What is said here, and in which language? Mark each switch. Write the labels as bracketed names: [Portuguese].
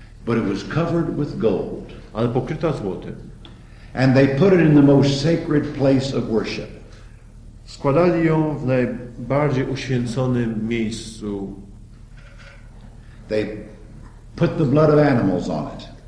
[English] But it was covered with gold. [Polish] Ale pokryta złotem. [English] And they put it in the most sacred place of worship. [Polish] Składali ją w najbardziej uświęconym miejscu. [English] They put the blood of animals on it.